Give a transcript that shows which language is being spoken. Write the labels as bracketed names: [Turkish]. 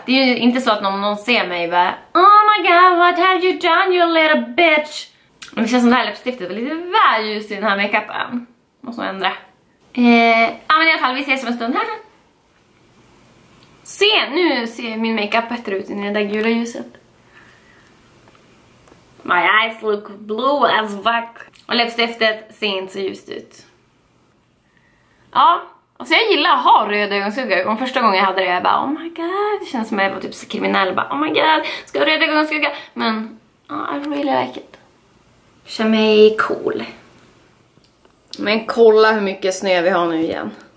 [Swedish] Det är ju inte så att någon ser mig och bara, [English] oh my god, what have you done, you little bitch? [Swedish] Men det känns som det här läppstiftet var lite väl ljus i den här makeupen. Måste man ändra. Men i alla fall, vi ses om en stund. Se, nu ser min makeup bättre ut i det där gula ljuset. [English] My eyes look blue as fuck. [Swedish] Och läppstiftet ser inte så ljust ut. Ja, alltså jag gillar att ha röda ögonskuggor. Om första gången jag hade det, jag bara, [English] oh my god. [Swedish] Det känns som att jag var typ så kriminell. Bara, oh my god, ska jag ha röda ögonskuggor? Men, [English] oh, I really like it. [Swedish] Känner mig cool. Men kolla hur mycket snö vi har nu igen.